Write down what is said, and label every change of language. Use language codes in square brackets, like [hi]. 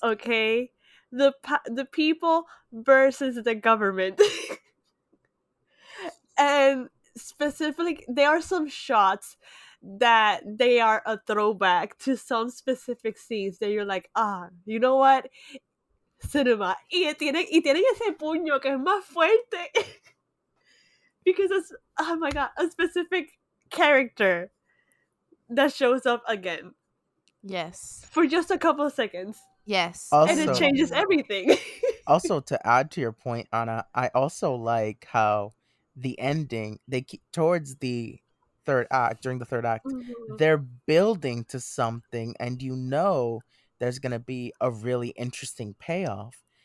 [en] Okay. The people versus the government. And specifically, there are some shots that they are a throwback to some specific scenes that you're like, you know what? Cinema. [es] Y tienen ese puño que es más fuerte. [en] Because it's, oh my god, a specific character that shows up again. Yes. For just a couple of seconds. Yes. Also, and it changes everything. Also, to add to your point, Anna, I also like how the ending, they keep, towards the third act, during the third act, they're building to something, and you know there's going to be a really interesting payoff.